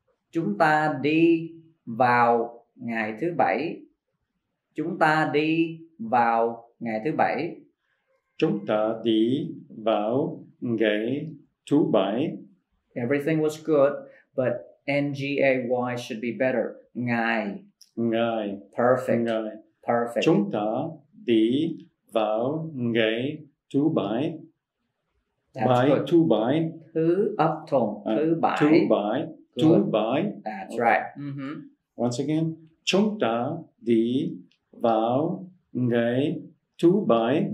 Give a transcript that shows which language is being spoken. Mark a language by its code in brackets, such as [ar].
[vi] Chúng ta đi vào ngày thứ bảy. Chúng ta đi vào ngày thứ bảy. Chúng ta đi vào ngày thứ bảy. [en] Everything was good, but NGAY should be better. [vi] Ngày. Ngày. [en] Perfect. [vi] Ngày. [en] Perfect. [vi] Chúng ta đi vào ngày thứ bảy. [en] That's bài good. [vi] Thứ bảy. Thứ âm tông. Thứ bảy. Thứ bảy. Thứ bảy. [en] That's okay. Right. Mm-hmm. Once again, [vi] chúng ta đi vào ngày thứ bảy.